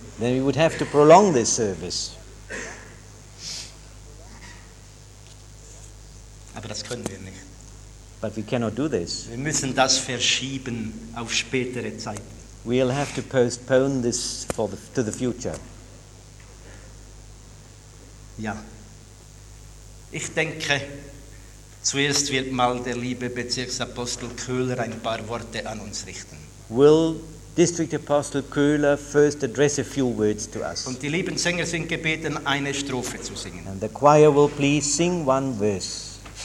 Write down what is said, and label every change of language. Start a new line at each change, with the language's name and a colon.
English: Then we would have to prolong this service.
German: Aber das können wir nicht.
English: But we cannot do this.
German: Wir müssen das verschieben auf spätere Zeit.
English: We'll have to postpone this for the, to the future.
German: Ja. Ich denke, zuerst wird mal der liebe Bezirksapostel Köhler ein paar Worte an uns richten.
English: Will District Apostle Köhler first address a few words to us.
German: Und die lieben Sänger sind gebeten, eine Strophe zu singen.
English: And the choir will please sing one verse.